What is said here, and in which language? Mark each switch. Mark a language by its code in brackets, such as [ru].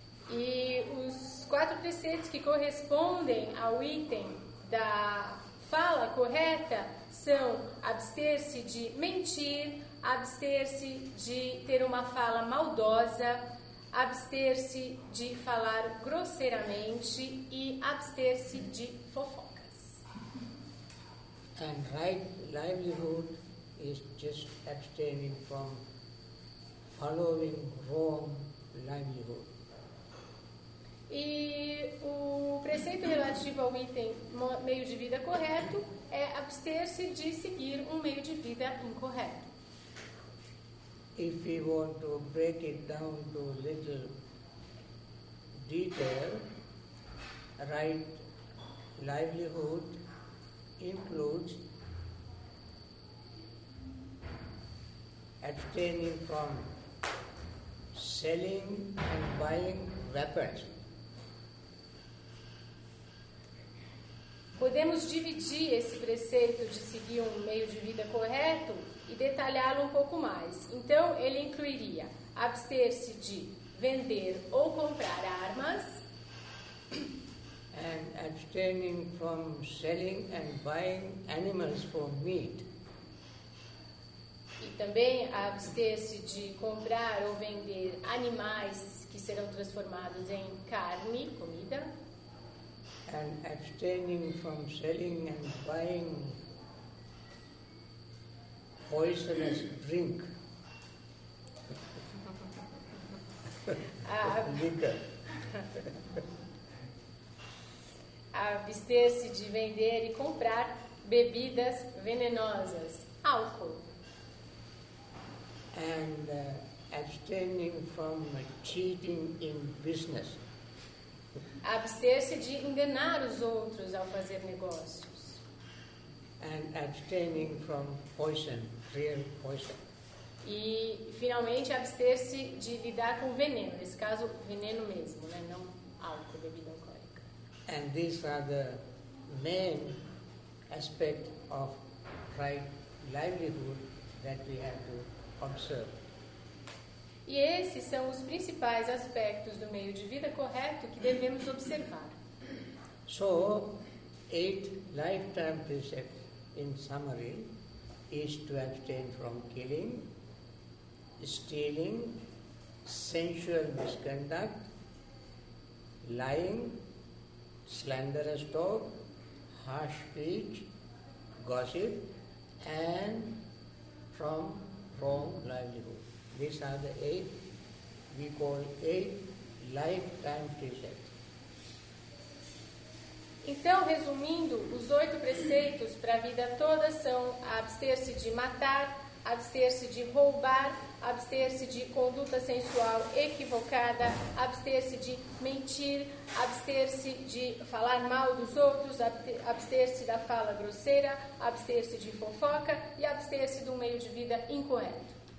[pt] E os quatro preceitos que correspondem ao item da fala correta são abster-se de mentir, abster-se de ter uma fala maldosa, abster-se de falar grosseiramente e abster-se de fofocas. [en] And right livelihood is just abstaining from following wrong livelihood. [pt] E o preceito relativo ao item meio de vida correto é abster-se de seguir um meio de vida incorreto. [en] If we want to break it down to little detail, right livelihood includes abstaining from selling and buying weapons. [pt] Podemos dividir esse preceito de seguir um meio de vida correto e detalhá-lo um pouco mais. Então, ele incluiria abster-se de vender ou comprar armas, [en] and abstaining from selling and buying animals for meat. [pt] E também abster-se de comprar ou vender animais que serão transformados em carne, comida. [en] And abstaining from selling and buying poisonous drink. Liquor. [pt] Abster-se de vender e comprar bebidas venenosas, álcool. [en] And abstaining from cheating in business. [pt] Abster-se de enganar os outros ao fazer negócios. [en] And abstaining from poison, real poison. [pt] E, finalmente, abster-se de lidar com veneno, nesse caso, veneno mesmo, né? Não álcool, bebida alcoólica. [en] And these are the main aspects of right livelihood that we have to observe. [pt] E esses são os principais aspectos do meio de vida correto que devemos observar. [en] So, eight lifetime precepts in summary is to abstain from killing, stealing, sensual misconduct, lying, slanderous talk, harsh speech, gossip, and from wrong livelihood. These are the eight, we call eight lifetime precepts. [pt] Então, resumindo, os oito preceitos para a vida toda são abster-se de matar, abster-se de roubar, abster-se de conduta sensual equivocada, abster-se de mentir, abster-se de falar mal dos outros, abster-se da fala grosseira, abster-se de fofoca e abster-se de um meio de vida incorreto.